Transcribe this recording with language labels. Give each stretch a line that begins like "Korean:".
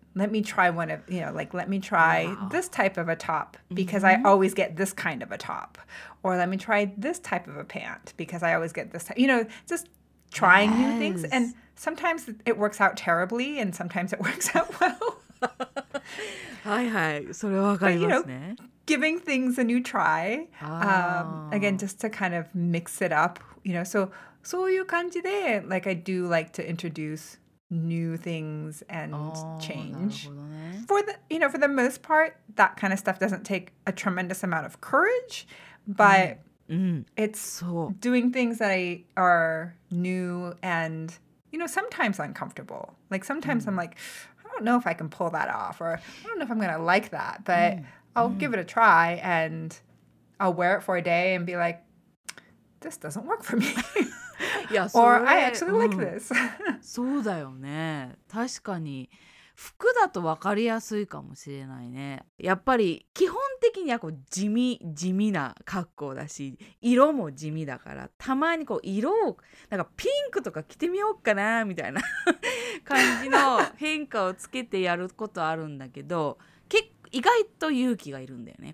English: Let me try one of, you know, like, let me try this type of a top because I always get this kind of a top. Or let me try this type of a pant because I always get this type. You know, just trying new things. And sometimes it works out terribly and sometimes it works out well.
Japanese: はいはい、それはわかりますね。
English: But, you know, giving things a new try, again, just to kind of mix it up, you know. So,
Japanese: そういう感じで、
English: like, I do like to introduce... new things and change. For the most part, that kind of stuff doesn't take a tremendous amount of courage, but it's doing things that are new and, you know, sometimes uncomfortable. Like sometimes I'm like, I don't know if I can pull that off or I don't know if I'm going to like that, but I'll give it a try and I'll wear it for a day and be like, this doesn't work for me. Or I actually like this.
Japanese: そうだよね。確かに服だと分かりやすいかもしれないね。やっぱり基本的にはこう地味な格好だし、色も地味だから、たまにこう色をなんかピンクとか着てみようかなみたいな感じの変化をつけてやることあるんだけど、結構意外と勇気がいるんだよね。